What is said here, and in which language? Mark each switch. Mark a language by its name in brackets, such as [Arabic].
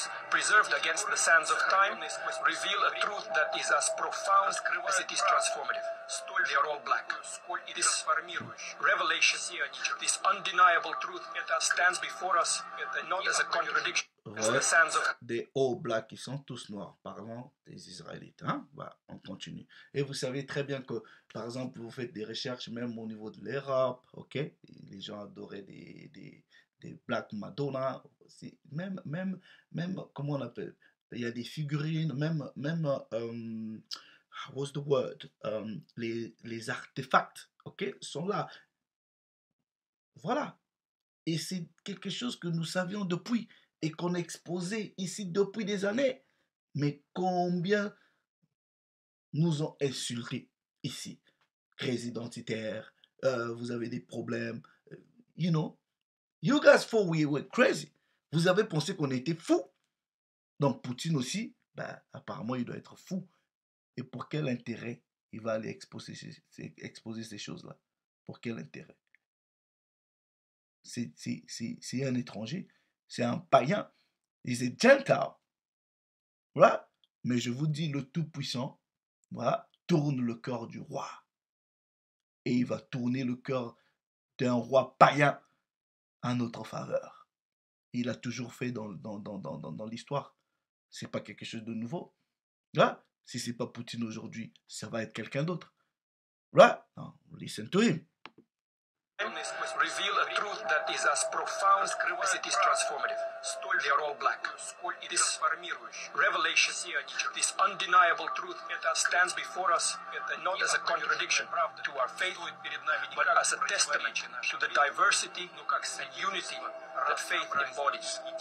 [English] Preserved against the sands of time, reveal a truth that is as profound as it is transformative. They are all black. This revelation, this undeniable truth, stands before us not as a contradiction, ouais, as the sands of. [French] Des [English] all black, [French] ils sont tous noirs, parlant des Israélites. Hein? Voilà, on continue. Et vous savez très bien que, par exemple, vous faites des recherches même au niveau de l'Europe, ok? Les gens adoraient des Black Madonna. Même, comment on appelle? Il y a des figurines, même, [English] how was the word? [French] Les artefacts, ok, sont là. Voilà. Et c'est quelque chose que nous savions depuis et qu'on exposait ici depuis des années. Mais combien nous ont insultés ici? Crise identitaire, vous avez des problèmes, [English] you know? You guys thought we were crazy. [French] Vous avez pensé qu'on était fou. Donc Poutine aussi, ben, apparemment, il doit être fou. Et pour quel intérêt il va aller exposer ces choses-là? Pour quel intérêt? C'est un étranger, c'est un païen, il est gentil. Voilà. Mais je vous dis, le Tout-Puissant, voilà, tourne le cœur du roi. Et il va tourner le cœur d'un roi païen en notre faveur. Il a toujours fait dans l'histoire. C'est pas quelque chose de nouveau. Là, si c'est pas Poutine aujourd'hui, ça va être quelqu'un d'autre. Là, non, [English] listen to him. Reveal a truth that is as profound as it is transformative. They are all black. This revelation, this undeniable truth, stands before us not as a contradiction to our faith, but as a testament to the diversity and unity that faith embodies.